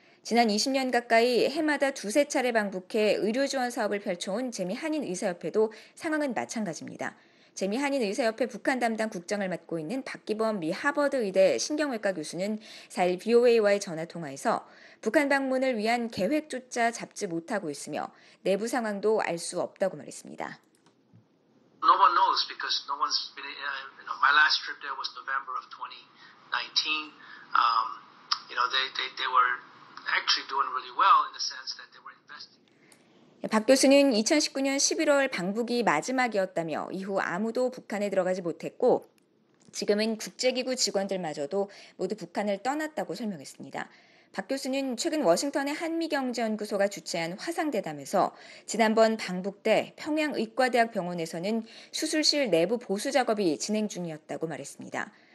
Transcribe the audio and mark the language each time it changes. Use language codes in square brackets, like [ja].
[ko] 지난 20년 가까이 해마다 두세 차례 방북해 의료 지원 사업을 펼쳐온 재미 한인의사협회도 상황은 마찬가지입니다. 재미 한인의사협회 북한 담당 국장을 맡고 있는 박기범 미 하버드 의대 신경외과 교수는 4일 BOA와의 전화 통화에서 북한 방문을 위한 계획조차 잡지 못하고 있으며 내부 상황도 알 수 없다고 말했습니다. [en] No one knows because no one's been. You know, my last trip there was November of 2019. You know, they were actually doing really well in the sense that they were investing. [ko] 박 교수는 2019년 11월 방북이 마지막이었다며 이후 아무도 북한에 들어가지 못했고 지금은 국제기구 직원들마저도 모두 북한을 떠났다고 설명했습니다. 박 교수는 최근 워싱턴의 한미경제연구소가 주최한 화상대담에서 지난번 방북 때 평양의과대학 병원에서는 수술실 내부 보수 작업이 진행 중이었다고 말했습니다.